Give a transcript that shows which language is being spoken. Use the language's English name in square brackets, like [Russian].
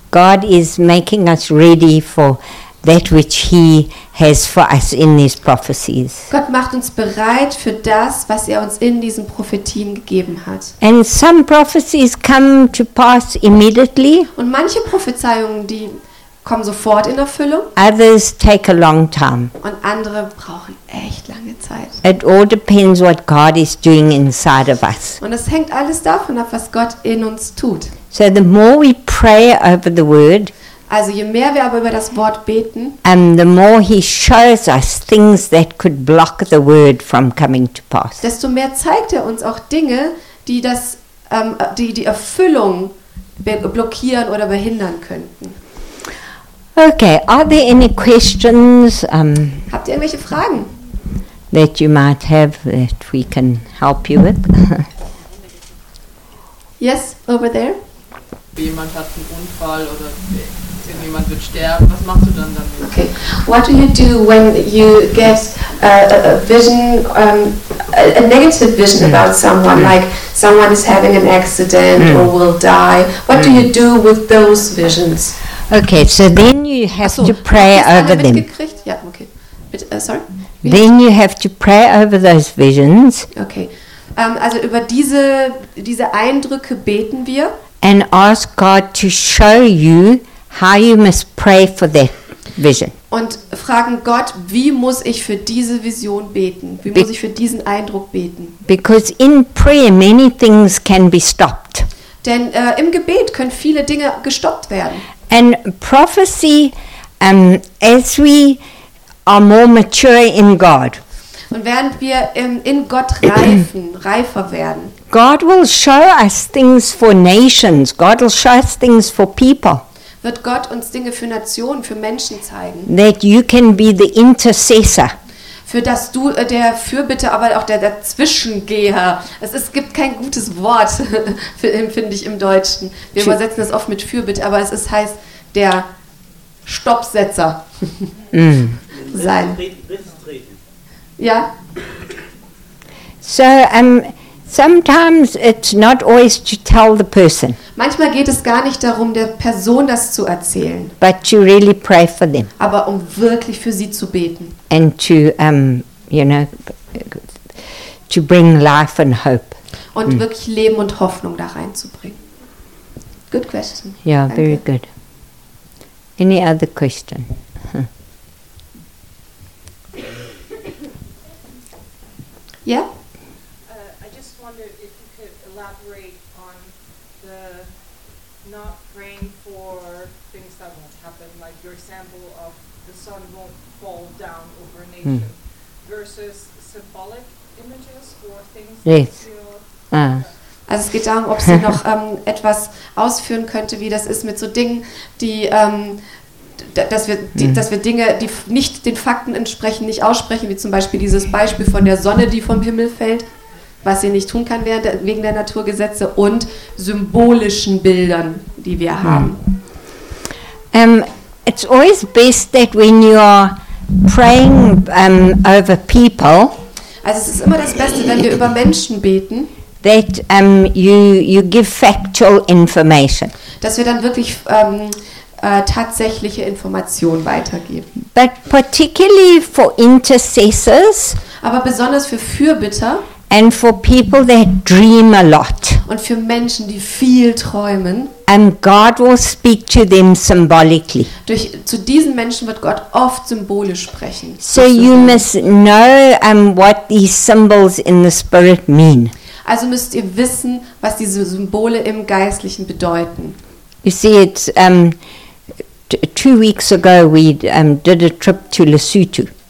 [English] God is making us ready for that which He has for us in these prophecies. [German] Gott macht uns bereit für das, was er uns in diesen Prophetien gegeben hat. [English] And some prophecies come to pass immediately. [German] Und manche Prophezeiungen, die kommen sofort in Erfüllung. [English] Others take a long time. [German] Und andere brauchen echt lange Zeit. [English] It all depends what God is doing inside of us. [German] Und es hängt alles davon ab, was Gott in uns tut. [English] So the more we pray over the word, [German] also je mehr wir aber über das Wort beten, [English] the more He shows us things that could block the word from coming to pass. [German] Desto mehr zeigt er uns auch Dinge, die das, die Erfüllung blockieren oder behindern könnten. [English] Okay, are there any questions? [German] Habt ihr irgendwelche Fragen? [English] That you might have that we can help you with? Yes, over there. [German] Jemand hat einen Unfall oder irgendjemand wird sterben. Was machst du dann damit? [English] Okay, what do you do when you get a negative vision about someone, like someone is having an accident or will die? What do you do with those visions? Okay, so then you have to pray over them. [German] Mitgekriegt? Ja, okay. Sorry. [English] Then you have to pray over those visions. [German] Okay. Also über diese Eindrücke beten wir. [English] And ask God to show you how you must pray for that vision. [German] Und fragen Gott, wie muss ich für diese Vision beten? Wie muss ich für diesen Eindruck beten? [English] Because in prayer many things can be stopped. [German] Denn im Gebet können viele Dinge gestoppt werden. [English] And prophecy, as we are more mature in God. [German] Und während wir in Gott reifen, reifer werden. [English] God will show us things for nations. God will show us things for people. [German] Wird Gott uns Dinge für Nationen, für Menschen zeigen. [English] That you can be the intercessor. [German] Für dass du der Fürbitter, aber auch der Dazwischengeher. Es gibt kein gutes Wort, finde ich, im Deutschen. Wir übersetzen das oft mit Fürbitte, aber es heißt der Stoppsetzer sein. Ja. [English] So, sometimes it's not always to tell the person. [German] Manchmal geht es gar nicht darum, der Person das zu erzählen. [English] But to really pray for them. [German] Aber um wirklich für sie zu beten. [English] And to, you know, to bring life and hope. [German] Und wirklich Leben und Hoffnung da reinzubringen. [English] Good question. Yeah, danke. Very good. Any other question? Yeah? I just wonder if you could elaborate on the not praying for things that won't happen, like your example of the sun won't fall down over a nation, versus symbolic images or things that feel... [German] Also es geht darum, ob sie noch etwas ausführen könnte, wie das ist mit so Dingen, die, dass wir Dinge, die nicht den Fakten entsprechen, nicht aussprechen, wie zum Beispiel dieses Beispiel von der Sonne, die vom Himmel fällt, was sie nicht tun kann wegen der Naturgesetze und symbolischen Bildern, die wir haben. [English] It's always best that when you're praying over people. [German] Also es ist immer das Beste, wenn wir über Menschen beten. [English] That you give factual information. [German] Dass wir dann wirklich tatsächliche Informationen weitergeben. [English] But particularly for intercessors. [German] Aber besonders für Fürbitter. [English] And for people that dream a lot. [German] Und für Menschen, die viel träumen. [English] And God will speak to them symbolically. [German] Zu diesen Menschen wird Gott oft symbolisch sprechen. [English] So you must know what these symbols in the spirit mean. [German] Also müsst ihr wissen, was diese Symbole im Geistlichen bedeuten. [English] You see, it's, 2 weeks ago we did a trip to Lesotho.